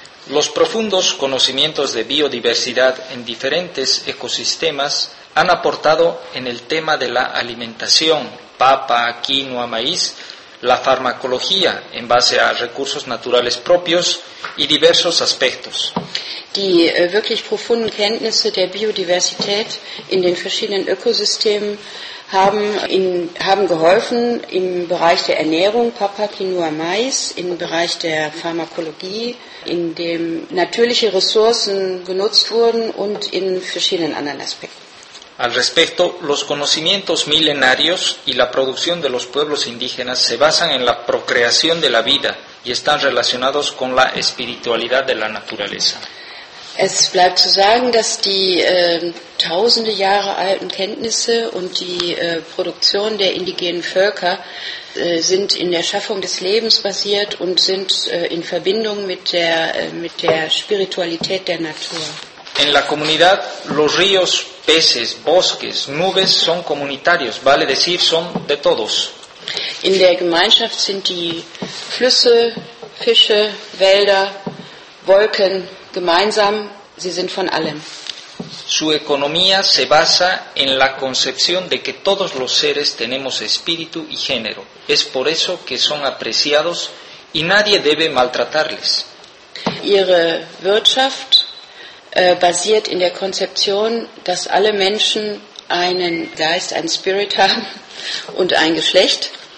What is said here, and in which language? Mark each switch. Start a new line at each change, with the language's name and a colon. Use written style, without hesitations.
Spanish: Los profundos conocimientos de biodiversidad en diferentes ecosistemas han aportado en el tema de la alimentación, papa, quinoa, maíz, la farmacología en base a recursos naturales propios y diversos aspectos.
German: Die wirklich profunden Kenntnisse der Biodiversität in den verschiedenen Ökosystemen haben geholfen im Bereich der Ernährung, Papa, Quinoa, Mais, im Bereich der Pharmakologie, in dem natürliche Ressourcen genutzt wurden und in verschiedenen anderen Aspekten.
Spanish: Al respecto, los conocimientos milenarios y la producción de los pueblos indígenas se basan en la procreación de la vida y están relacionados con la espiritualidad de la naturaleza.
German: Es bleibt zu sagen, dass die tausende Jahre alten Kenntnisse und die Produktion der indigenen Völker sind in der Schaffung des Lebens basiert und sind in Verbindung mit der Spiritualität der Natur.
Spanish: En la comunidad, los ríos, peces, bosques, nubes son comunitarios, vale decir, son de todos.
German: In der Gemeinschaft sind die Flüsse, Fische, Wälder, Wolken gemeinsam, sie sind von allem.
Spanish: Su economía se basa en la concepción de que todos los seres tenemos espíritu y género. Es por eso que son apreciados y nadie debe maltratarles.
German: Ihre Wirtschaft basiert in der Konzeption, dass alle Menschen einen Geist, einen Spirit haben und ein Geschlecht.